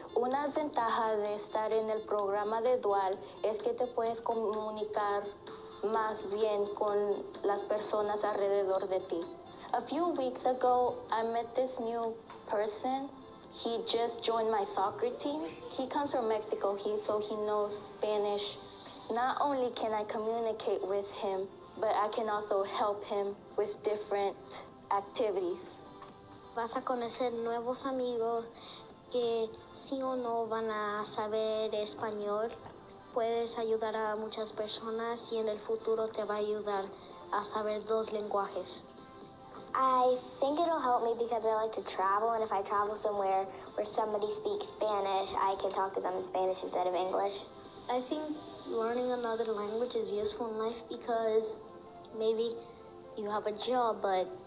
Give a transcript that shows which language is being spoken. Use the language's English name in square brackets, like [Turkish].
[Spanish] La ventaja de estar en el programa de Dual es que te puedes comunicar más bien con las personas alrededor de ti. [English] A few weeks ago, I met this new person. He just joined my soccer team. He comes from Mexico, so he knows Spanish. Not only can I communicate with him, but I can also help him with different activities. [Spanish] Vas a conocer nuevos amigos. Que sí o no van a saber español, puedes ayudar a muchas personas y en el futuro te va a ayudar a saber dos lenguajes. [English] I think it'll help me because I like to travel, and if I travel somewhere where somebody speaks Spanish, I can talk to them in Spanish instead of English. I think learning another language is useful in life because maybe you have a job, but